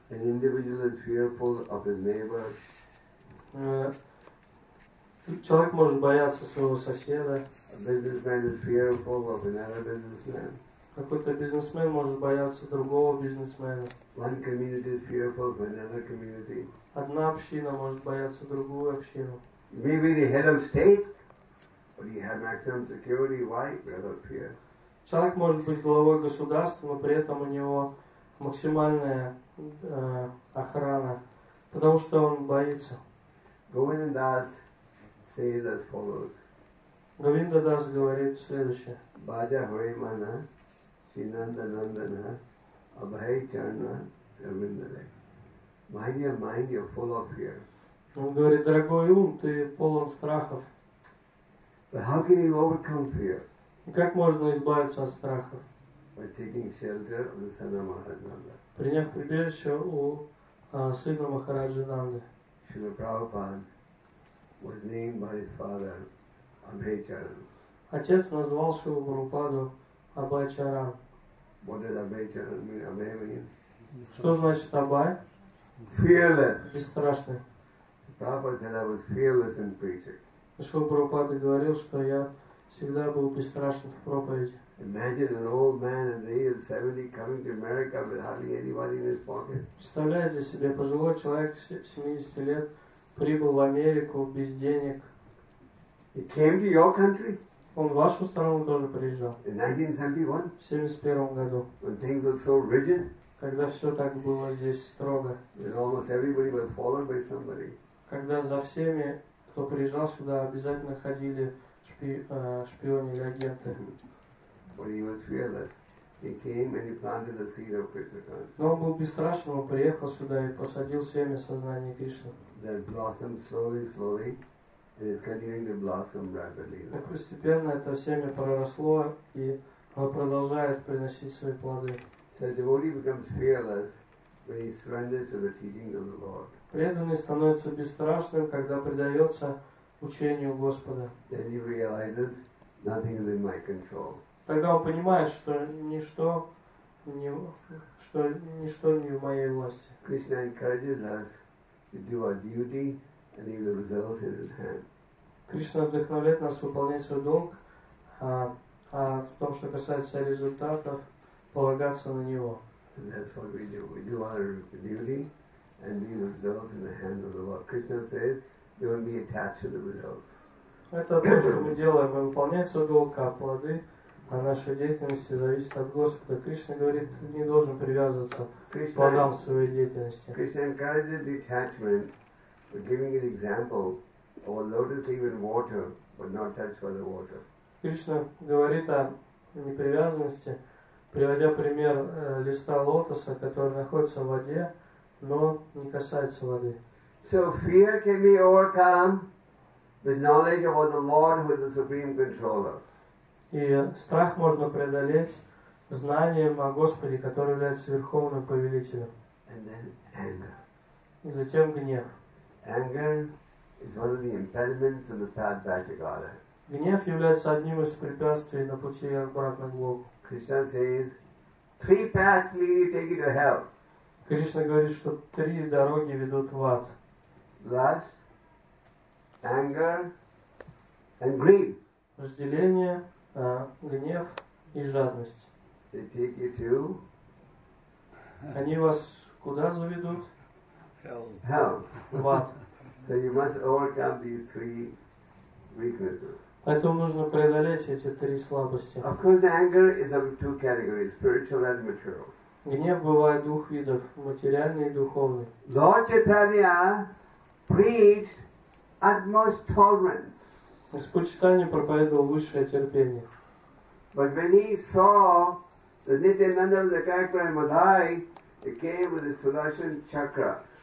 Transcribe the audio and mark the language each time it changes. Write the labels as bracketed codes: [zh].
[en] An individual is fearful of his neighbor. [ru] Человек может бояться своего соседа. [en] A businessman is fearful of another businessman. [ru] Какой-то бизнесмен может бояться другого бизнесмена. [en] One community is fearful of another community. [ru] Одна община может бояться другую общину. [en] Maybe the head of state, but he has maximum security. Why? Because of fear. [ru] Человек может быть главой государства, но при этом у него максимальная охрана, потому что он боится. [en] Govinda Das says as follows. [ru] Govinda Das говорит следующее. [bn] Bhaja Hare Mana, Chinanda Nandana, Abhay Charna, Ravindale. [en] Mind, you're full of fear. [ru] Он говорит, дорогой ум, ты полон страхов. [en] But how can you overcome fear? [ru] Как можно избавиться от страха? [en] By taking shelter of the Sana Maharajananda. [ru] Приняв прибежище у сына Махараджананды. [en] Srila Prabhupada was named by his father Abhay Charan. [ru] Отец назвал Шрилу Прабхупаду Абхай Чаран. [en] What does Abhay Charan mean? Abhay means? [ru] Что значит Абхай? [en] Fearless. [ru] Бесстрашный. [en] Prabhupada said I was fearless in preaching. [ru] Шрила Прабхупада говорил, что я всегда был бесстрашен в проповеди. [en] Imagine an old man at the age of 70 coming to America with hardly anybody in his pocket. [ru] Представляете себе, пожилой человек 70 лет прибыл в Америку без денег. [en] He came to your country? [ru] Он в вашу страну тоже приезжал. [en] In 1971? [ru] В 71 году. [en] When things were so rigid? [ru] Когда все так было здесь строго. [en] When almost everybody was followed by somebody. [ru] Когда за всеми, кто приезжал сюда, обязательно ходили шпионы или агенты. [en] But he was fearless. He came and he planted the seed of Krishna consciousness. [ru] Но он был бесстрашен, он приехал сюда и посадил семя сознания Кришны. [en] That blossomed slowly, slowly, and is continuing to blossom rapidly. [ru] Так постепенно это семя проросло и продолжает приносить свои плоды. [en] So the devotee becomes fearless when he surrenders to the teachings of the Lord. [ru] Преданный становится бесстрашным, когда предается учению Господа. [en] Then he realizes nothing is in my control. [ru] Тогда он понимает, что ничто не в моей власти. [en] Krishna encourages us to do our duty and leave the results in his hand. [ru] Кришна вдохновляет нас выполнять свой долг, а в том, что касается результатов, полагаться на него. [en] And that's what we do. We do our duty and leave the results in the hand of the Lord. Krishna says, don't be attached to the results. [ru] Это то, что мы делаем. Мы выполняем свой долг, а плоды о нашей деятельности зависит от Господа. Кришна говорит, ты не должен привязываться к плодам своей деятельности. [en] Krishna encourages detachment by giving an example of a lotus leaf in water, but not touched by the water. [ru] Кришна говорит о непривязанности, приводя пример листа лотоса, который находится в воде, но не касается воды. [en] So fear can be overcome with knowledge of the Lord who is the supreme controller. [ru] И страх можно преодолеть знанием о Господе, который является Верховным Повелителем. [en] And then anger. [ru] И затем гнев. [en] Anger is one of the impediments of the path back to God. [ru] Гнев является одним из препятствий на пути обратно к Богу. [en] Krishna says, three paths lead you take you to hell. [ru] Кришна говорит, что три дороги ведут в ад. [en] Lust, anger, and greed. [ru] Разделение. Гнев и жадность. [en] They take you to... [ru] Они вас куда заведут? [en] Hell. [ru] В ад. [en] So you must overcome these three weaknesses. [ru] Поэтому нужно преодолеть эти три слабости. [en] Of course, anger is of two categories, spiritual and material. [ru] Гнев бывает двух видов, материальный и духовный. [en] Lord Chaitanya preached utmost tolerance. [ru] Господь Читания проповедовал высшее терпение. [en] But when he saw So Nityananda was a character in Madhai. He came with the Sudarshan Chakra.